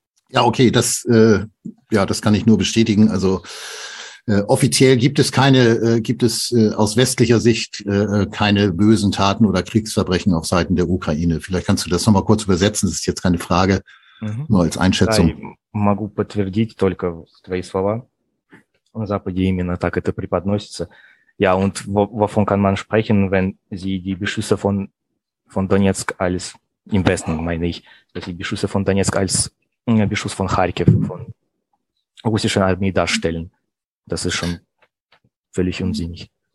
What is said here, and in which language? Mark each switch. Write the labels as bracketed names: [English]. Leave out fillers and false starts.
[German] Ja, okay, das kann ich nur bestätigen. Also offiziell gibt es aus westlicher Sicht keine bösen Taten oder Kriegsverbrechen auf Seiten der Ukraine. Vielleicht kannst du das nochmal kurz übersetzen. Das ist jetzt keine Frage, nur als Einschätzung. [Russian] Я могу подтвердить только твои слова. На Западе именно так это преподносится. [German] Ja, und wovon kann man sprechen, wenn sie die Beschüsse von Donetsk als im Westen, meine ich, dass sie Beschüsse von Donetsk als Beschuss von Kharkiv, von russischen Armee darstellen. Das ist schon völlig unsinnig.